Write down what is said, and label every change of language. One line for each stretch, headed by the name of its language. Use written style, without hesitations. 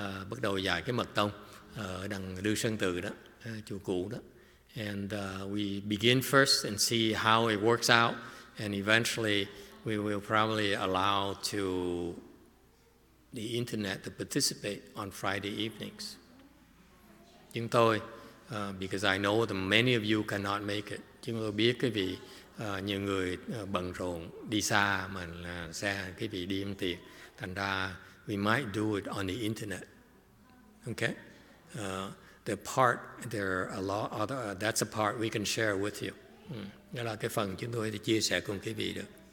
Vietnamese: Bắt đầu dạy cái mật tông ở đằng Lưu Sơn Tự đó, chùa cũ đó.
English: And we begin first and see how it works out, and eventually we will probably allow to the internet to participate on Friday evenings.
Vietnamese: Chúng tôi,
English: because I know that many of you cannot make it.
Vietnamese: Chúng tôi biết cái vị nhiều người bận rộn đi xa mà sẽ cái vị đi ăn tiệc. Thành ra
English: we might do it on the internet. Okay? The part there are a lot other that's a part we can share with you.
Vietnamese: Đó là cái phần chúng tôi sẽ chia sẻ cùng quý vị được.